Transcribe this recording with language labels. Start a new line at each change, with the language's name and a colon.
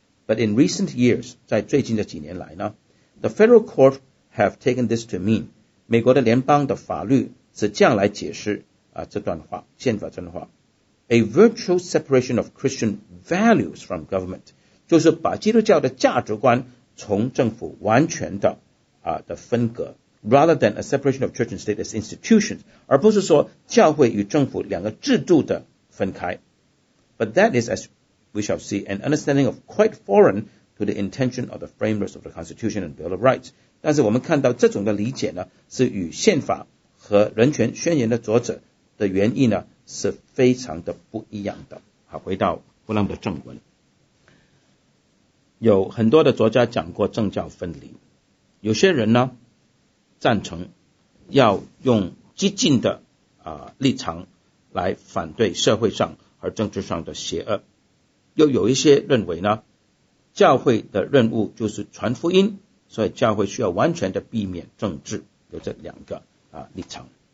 English: But in recent years，
Chinese: 在最近的几年来呢，
English: The federal court have taken this to mean，
Chinese: 美国的联邦的法律是这样来解释这段话，宪法这段话。
English: A virtual separation of Christian values from government，
Chinese: 就是把基督教的价值观从政府完全的分隔。
English: Rather than a separation of church and state as institutions，
Chinese: 而不是说教会与政府两个制度的分开。
English: But that is, as we shall see, an understanding of quite foreign to the intention of the framers of the Constitution and Bill of Rights。
Chinese: 但是我们看到这种的理解呢，是与宪法和人权宣言的作者的原意呢，是非常的不一样的。好，回到布朗的正文。有很多的作家讲过政教分离，有些人呢赞成要用激进的立场来反对社会上和政治上的邪恶，又有一些认为呢教会的任务就是传福音，所以教会需要完全的避免政治，有这两个立场。